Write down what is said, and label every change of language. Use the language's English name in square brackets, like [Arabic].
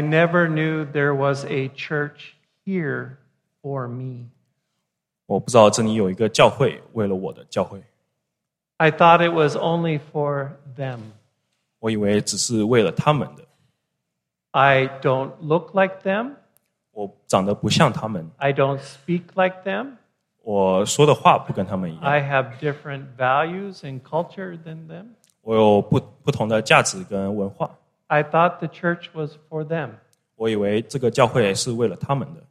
[English] never knew there was a church here for me. [Chinese] 我不知道这里有一个教会，为了我的教会。 [English] I thought it was only for them. [Chinese] 我以为只是为了他们的。 [English] I don't look like them. [Chinese] 我长得不像他们。 [English] I don't speak like them. [Chinese] 我说的话不跟他们一样。 [English] I have different values and culture than them. [Chinese] 我有不同的价值跟文化。 [English] I thought the church was for them. [Chinese] 我以为这个教会是为了他们的。